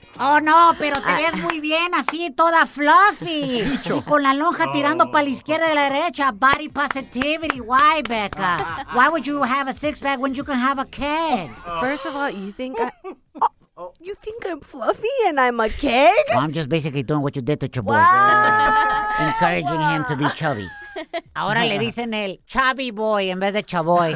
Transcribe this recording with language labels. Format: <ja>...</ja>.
<es>Oh, no, pero te ves muy bien, así, toda fluffy. Y con la lonja tirando para la izquierda y la derecha,</es> <en>body positivity. Why, Becca? Why would you have a six-pack when you can have a keg? First of all, you think I'm fluffy and I'm a keg? Well, I'm just basically doing what you did to your boy. Encouraging him to be chubby.</en> <es>Ahora le dicen el chubby boy en vez de chaboy.</es>